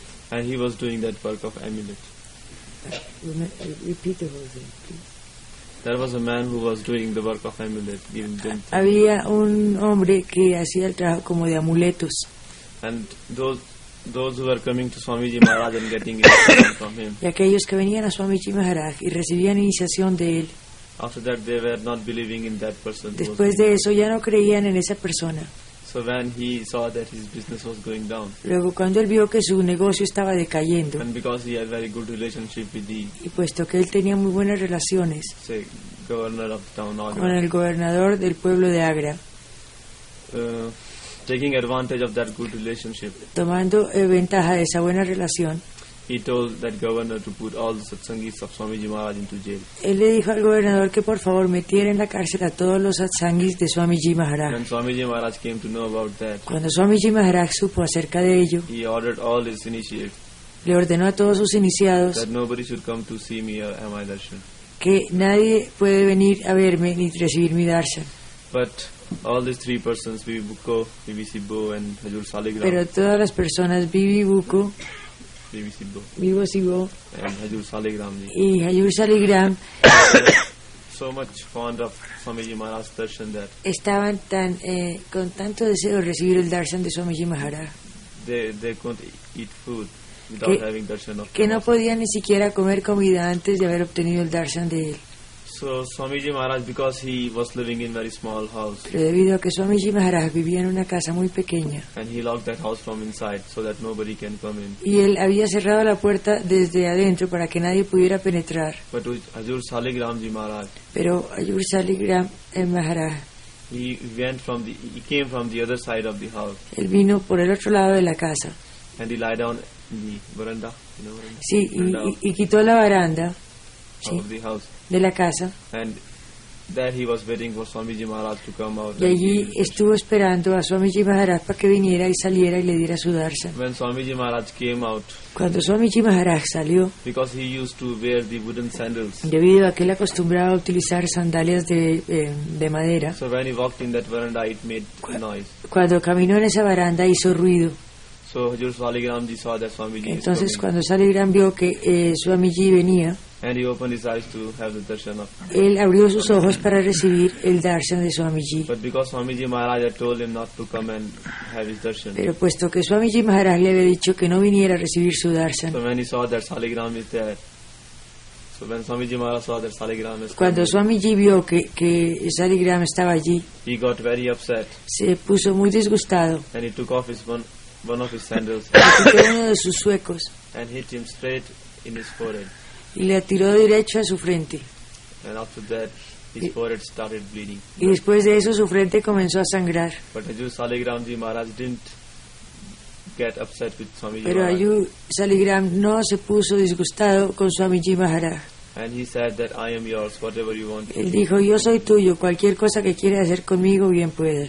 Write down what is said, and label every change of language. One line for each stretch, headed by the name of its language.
English: And he was doing that work of amulet. Repeat the whole thing, please. There was a man who was doing the work of amulet.
Spanish: Había un hombre que hacía el trabajo como de amuletos.
English: And those who were coming to Swamiji Maharaj and getting iniciation from him.
Spanish: Y aquellos que venían a Swamiji Maharaj y recibían iniciación de él.
English: After that, they were not believing in that person.
Spanish: Después de eso, ya no creían en esa persona.
English: So when he saw that his business was going down.
Spanish: Luego cuando él vio que su negocio estaba decayendo.
English: And because he had very good relationship with the.
Spanish: Y puesto que él tenía muy buenas relaciones.
English: Say, governor of town Agra.
Spanish: Con el gobernador del pueblo de Agra.
English: Taking advantage of that good relationship.
Spanish: Tomando ventaja de esa buena relación.
English: He told that governor to put all the satsangis of Swamiji Maharaj into jail.
Spanish: Él le dijo al gobernador que por favor metiera en la cárcel a todos los satsangis de Swamiji Maharaj.
English: When Swamiji Maharaj came to know about that,
Spanish: cuando Swamiji Maharaj supo acerca de ello,
English: he ordered all his initiates.
Spanish: Le ordenó a todos sus iniciados
English: that nobody should come to see me or my darshan.
Spanish: Que nadie puede venir a verme ni recibir mi darshan.
English: But all these three persons, Bibi Bukko, Bibi Sibbo, and Hajur Saligram.
Spanish: Pero todas las personas, Bibi Bukko. Bibi Sibbo y Hajur Saligram
English: so much fond of Swamiji Maharaj's darshan that
Spanish: estaban tan con tanto deseo recibir el darshan de Swamiji Maharaj.
English: They couldn't eat food without having darshan of
Spanish: que no podían ni siquiera comer comida antes de haber obtenido el darshan de él.
English: So Swamiji Maharaj, because he was living in a very small house.
Spanish: Pero debido a que Swamiji Maharaj vivía en una casa muy pequeña.
English: And he locked that house from inside so that nobody can come in.
Spanish: Y él había cerrado la puerta desde adentro para que nadie pudiera penetrar.
English: But Hazur Saligram Ji Maharaj.
Spanish: Pero Hazur Saligram Maharaj.
English: He came from the other side of the house.
Spanish: Él vino por el otro lado de la casa.
English: And he lay down in the veranda. You know, veranda.
Spanish: Sí, veranda. Y quitó la baranda. Sí.
English: Of the house.
Spanish: De la casa.
English: And there he was waiting for Swamiji Maharaj to come out.
Spanish: Y allí estuvo esperando a Swamiji Maharaj para que viniera y saliera y le diera su darshan.
English: When Swamiji Maharaj came out.
Spanish: Cuando Swamiji Maharaj salió.
English: Because he used to wear the wooden sandals.
Spanish: Debido a que él acostumbraba a utilizar sandalias de madera.
English: So when he walked in that veranda, it made noise.
Spanish: Cuando caminó en esa baranda hizo ruido.
English: So Hazur Saligram Ji saw that Swamiji.
Spanish: Entonces cuando Saligram vio que Swamiji venía.
English: And he opened his eyes to have the darshan of.
Spanish: Él abrió sus ojos para recibir el darshan de Swamiji.
English: But because Swamiji Maharaj had told him not to come and have his darshan.
Spanish: Pero puesto que Swamiji Maharaj le había dicho que no viniera a recibir su darshan.
English: So when he saw that Saligram is there. So when Swamiji Maharaj saw that Saligram is.
Spanish: Cuando
English: coming,
Spanish: Swamiji vio que Saligram estaba allí.
English: He got very upset.
Spanish: Se puso muy disgustado.
English: And he took off his one of his sandals.
Spanish: Uno de sus suecos.
English: And hit him straight in his forehead.
Spanish: Y le tiró derecho a su frente.
English: And after that, his forehead started bleeding.
Spanish: Y después de eso su frente comenzó a sangrar.
English: But Hazur Saligram Ji Maharaj didn't get upset with Swamiji.
Spanish: Pero Hazur Saligram no se puso disgustado con Swamiji Maharaj.
English: And he said that I am yours, whatever you want.
Spanish: Él dijo, yo soy tuyo, cualquier cosa que quieras hacer conmigo bien puedes.